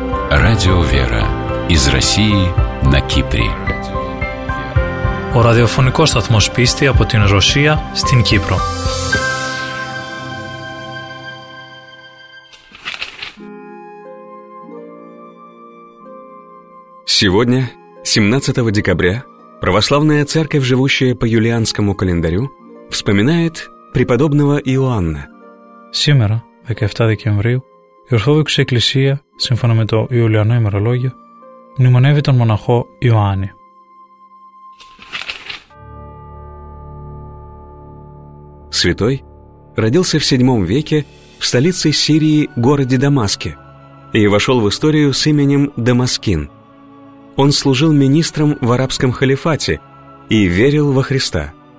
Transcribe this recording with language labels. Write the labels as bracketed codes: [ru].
[ru] Радио «Вера» из России на Кипре. [el] Ο ραδιοφωνικός σταθμός πίστη από την Ρωσία στην Κύπρο. [ru] Сегодня, 17 декабря, Православная Церковь, живущая по юлианскому календарю, вспоминает преподобного Иоанна. Сегодня, 17 декабря, [el] η Ορθόδοξη Εκκλησία, σύμφωνα με το Ιουλιανό ημερολόγιο, μνημονεύει τον μοναχό Ιωάννη. [ru] Святой родился в 7 веке в столице Сирии, городе Дамаске, и вошел в историю с именем Дамаскин. Он служил министром в арабском халифате и верил во Христа.